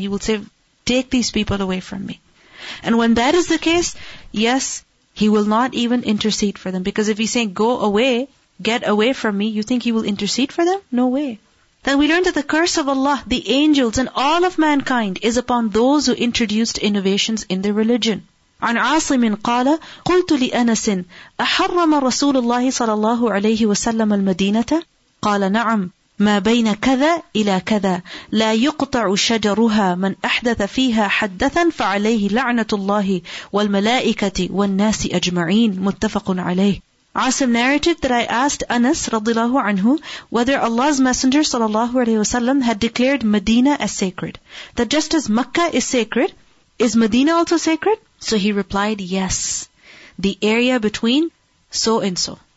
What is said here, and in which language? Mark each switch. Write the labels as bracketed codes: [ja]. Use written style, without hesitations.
[en] He will say, take these people away from me. And when that is the case, yes, he will not even intercede for them. Because if he's saying, go away, get away from me, you think he will intercede for them? No way. Then we learn that the curse of Allah, the angels and all of mankind is upon those who introduced innovations in their religion. [ar] عن عاصم قال قلت لأنس أحرم رسول الله صلى الله عليه وسلم المدينة قال نعم ما بين كذا إلى كذا لا يقطع شجرها من أحدث فيها حدثا فعليه لعنة الله والملائكة والناس أجمعين متفق عليه. [en] عاصم narrated that I asked Anas رضي الله عنه whether Allah's Messenger صلى الله عليه وسلم had declared Medina as sacred. That just as Mecca is sacred, is Medina also sacred? So he replied, yes, the area between so and so.